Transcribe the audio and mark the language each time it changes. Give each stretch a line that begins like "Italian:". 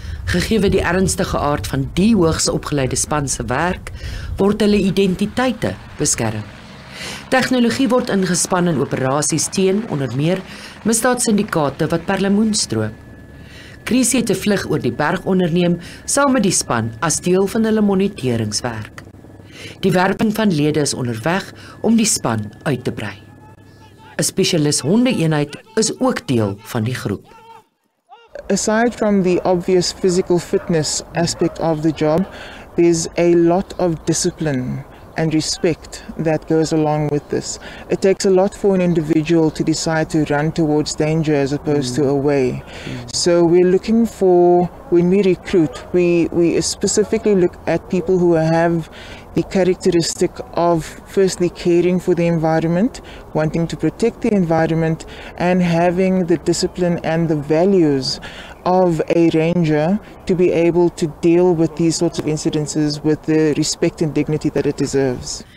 Afrikaans: Gegeewe die ernstige aard van die hoogs opgeleide span se werk, word hulle identiteite beskerm. Tegnologie word ingespan in operasies teen, onder meer, misdaadsyndikate wat perlemoen stroop. Kris het 'n vlug oor die berg onderneem, saam met die span, as deel van hulle moniteringswerk. Die werping van lede is onderweg om die span uit te brei. 'N spesialis hondeeenheid is ook deel van die groep.
English: Aside from the obvious physical fitness aspect of the job, there's a lot of discipline and respect that goes along with this. It takes a lot for an individual to decide to run towards danger as opposed to away. So we're looking for, when we recruit, we specifically look at people who have the characteristic of firstly caring for the environment, wanting to protect the environment, and having the discipline and the values of a ranger to be able to deal with these sorts of incidences with the respect and dignity that it deserves.